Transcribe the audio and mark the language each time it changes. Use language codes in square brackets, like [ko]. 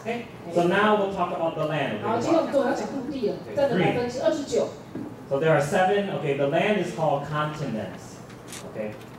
[en] OK， so now we'll talk about the land。 [zh] 好，今天我们终于要讲陆地了，占了29%。 [en] So there are seven， OK， the land is called continents， OK，